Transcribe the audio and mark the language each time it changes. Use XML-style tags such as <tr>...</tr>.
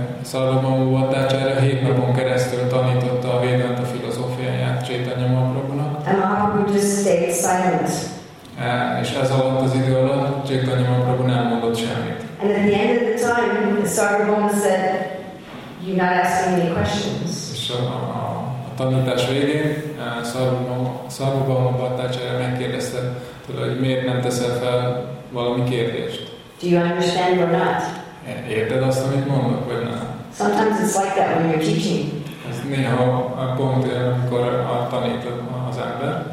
<hu>Sarvabhauma Bhattacharya 7 napon keresztül tanította a Vedanta filozófiáját Chaitanya Mahaprabhunak.</hu> <en>And Mahaprabhu just stayed silent.</en> <hu>És ez alatt az idő alatt Chaitanya Mahaprabhu nem mondott semmit.</hu> <en>And at the end of the time, Sarvabhauma said, you're not asking any questions.</en> <hu>A tanítás végén Sarvabhauma Bhattacharya megkérdezte tőle, hogy miért nem teszel fel valami kérdést.</hu> <en>Do you understand or not?</en> <hu>Érted azt, amit mondok, vagy nem?</hu> <en>Sometimes it's like that when you're teaching.</en> <hu>Ez néha a pont, amikor tanít az ember.</hu>